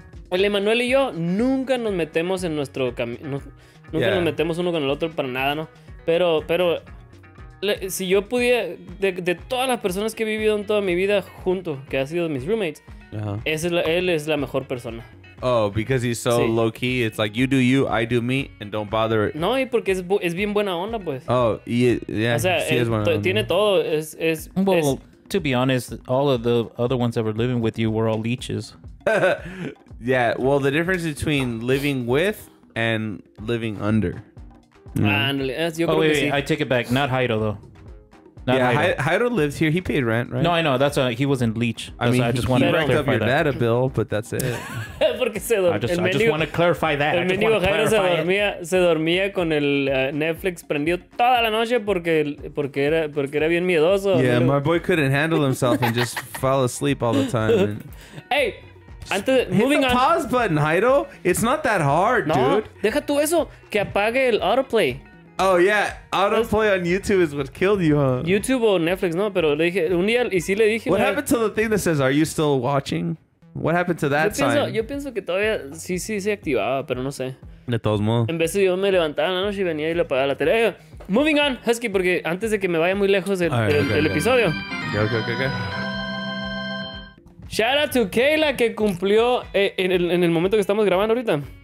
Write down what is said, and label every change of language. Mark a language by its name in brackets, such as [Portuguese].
[Spanish] El Emanuel y yo nunca nos metemos en nuestro camino. Nunca nos metemos uno con el otro para nada, ¿no? Pero si yo pudiera, de todas las personas que he vivido en toda mi vida junto, que han sido mis roommates, él es la mejor persona. [English] Oh, because he's so low-key. It's like, you do you, I do me, and don't bother. [Spanish] No, y porque es bien buena onda, pues. [English] Oh, yeah. [Spanish] O sea, tiene todo. Es, [English] well, [Spanish] es, [English] to be honest, all of the other ones that were living with you were all leeches. Yeah, well, the difference between living with and living under. I take it back. Not Jairo, though. Jairo lives here. He paid rent, right? No, I know. He was in Leech. I just wanted to clarify that. He racked up your dad a bill, but that's it. I just want to clarify that. [Spanish] El mendigo Jairo se dormía con el Netflix prendido toda la noche porque era bien miedoso. [English] Yeah, [Spanish] pero... [English] my boy couldn't handle himself and just fall asleep all the time. And... Hey! Hit the pause button, Jairo. It's not that hard, [Spanish] no, [English] dude. [Spanish] Deja tú eso. Que apague el autoplay. [English] Oh, yeah. Autoplay on YouTube is what killed you, huh? [Spanish] YouTube o Netflix, no, pero le dije, un día, y sí le dije... [English] What happened to the thing that says, are you still watching? What happened to that sign? [Spanish] Yo pienso que todavía sí se activaba, pero no sé. De todos modos. En vez de yo me levantaba en la noche y venía y le apagaba la tele. [English] Moving on, [Spanish] Husky, porque antes de que me vaya muy lejos el episodio. [English] Okay. Shout out to [Spanish] Keyla, que cumplió en el momento que estamos grabando ahorita.